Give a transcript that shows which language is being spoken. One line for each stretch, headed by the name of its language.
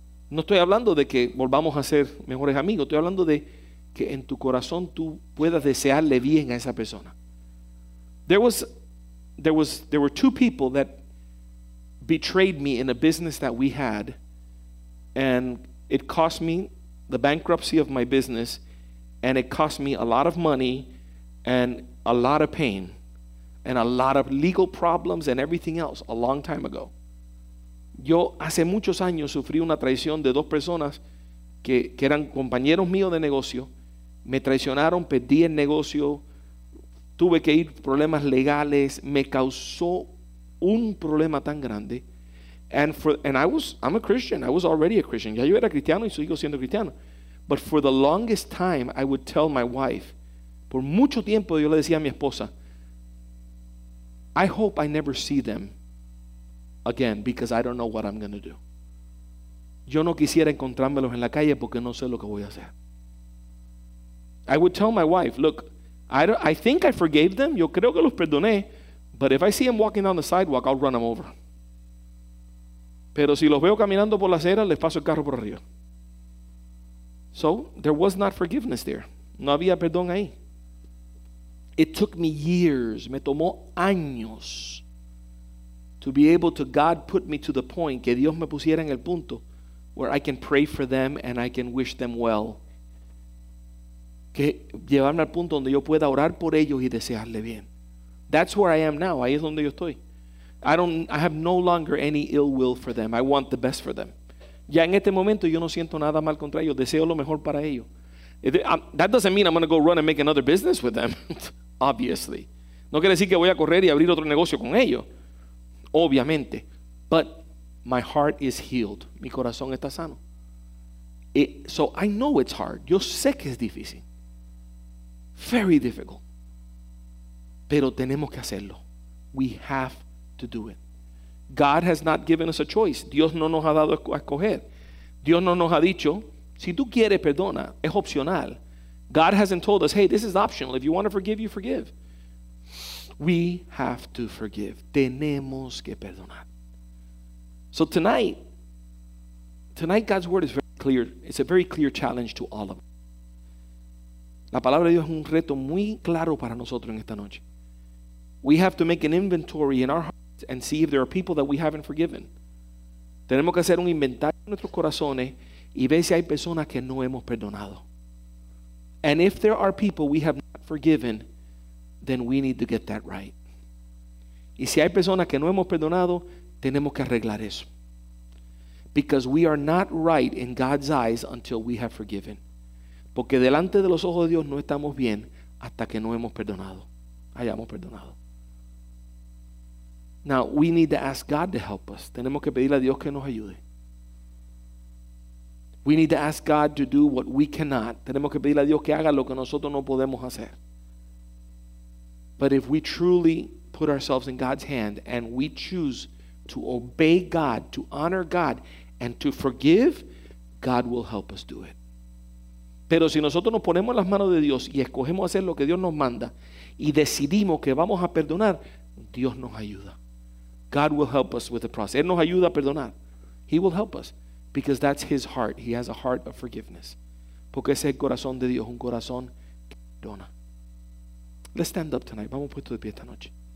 Spanish: No estoy hablando de que volvamos a ser mejores amigos. Estoy hablando de que en tu corazón tú puedas desearle bien a esa persona.
English: There were two people that betrayed me in a business that we had, and it cost me the bankruptcy of my business, and it cost me a lot of money and a lot of pain and a lot of legal problems and everything else a long time ago.
Spanish: Yo hace muchos años sufrí una traición de dos personas que eran compañeros míos de negocio. Me traicionaron, perdí el negocio. Tuve que ir problemas legales, me causó un problema tan grande.
English: I'm a Christian. I was already a Christian.
Spanish: Ya yo era cristiano y sigo siendo cristiano.
English: But for the longest time, I would tell my wife,
Spanish: por mucho tiempo yo le decía a mi esposa,
English: I hope I never see them again because I don't know what I'm going to do.
Spanish: Yo no quisiera encontrármelos en la calle porque no sé lo que voy a hacer.
English: I would tell my wife, look, I think I forgave them.
Spanish: Yo creo que los perdoné.
English: But if I see them walking down the sidewalk, I'll run them over.
Spanish: Pero si los veo caminando por la acera, les paso el carro por arriba.
English: So, there was not forgiveness there.
Spanish: No había perdón ahí.
English: It took me years.
Spanish: Me tomó años.
English: To be able to, God put me to the point,
Spanish: que Dios me pusiera en el punto,
English: where I can pray for them and I can wish them well.
Spanish: Que llevarme al punto donde yo pueda orar por ellos y desearle bien.
English: That's where I am now.
Spanish: Ahí es donde yo estoy.
English: I have no longer any ill will for them. I want the best for them.
Spanish: Ya en este momento yo no siento nada mal contra ellos. Deseo lo mejor para ellos.
English: That doesn't mean I'm going to go run and make another business with them. Obviously.
Spanish: No quiere decir que voy a correr y abrir otro negocio con ellos. Obviamente.
English: But my heart is healed.
Spanish: Mi corazón está sano.
English: So I know it's hard.
Spanish: Yo sé que es difícil.
English: Very difficult.
Spanish: Pero tenemos que hacerlo.
English: We have to do it. God has not given us a choice.
Spanish: Dios no nos ha dado a escoger. Dios no nos ha dicho, si tú quieres, perdona. Es opcional.
English: God hasn't told us, hey, this is optional. If you want to forgive, you forgive. We have to forgive.
Spanish: Tenemos que perdonar.
English: So tonight God's word is very clear. It's a very clear challenge to all of us.
Spanish: La palabra de Dios es un reto muy claro para nosotros en esta noche.
English: We have to make an inventory in our hearts and see if there are people that we haven't forgiven.
Spanish: Tenemos que hacer un inventario en nuestros corazones y ver si hay personas que no hemos perdonado.
English: And if there are people we have not forgiven, then we need to get that right.
Spanish: Y si hay personas que no hemos perdonado, tenemos que arreglar eso.
English: Because we are not right in God's eyes until we have forgiven.
Spanish: Porque delante de los ojos de Dios no estamos bien hasta que no hemos perdonado. Hayamos perdonado.
English: Now, we need to ask God to help us.
Spanish: Tenemos que pedirle a Dios que nos ayude.
English: We need to ask God to do what we cannot.
Spanish: Tenemos que pedirle a Dios que haga lo que nosotros no podemos hacer.
English: But if we truly put ourselves in God's hand and we choose to obey God, to honor God, and to forgive, God will help us do it.
Spanish: Pero si nosotros nos ponemos en las manos de Dios y escogemos hacer lo que Dios nos manda y decidimos que vamos a perdonar, Dios nos ayuda.
English: God will help us with the process.
Spanish: Él nos ayuda a perdonar.
English: He will help us because that's his heart. He has a heart of forgiveness.
Spanish: Porque ese es el corazón de Dios, un corazón que perdona.
English: Let's stand up tonight.
Spanish: Vamos puesto de pie esta noche.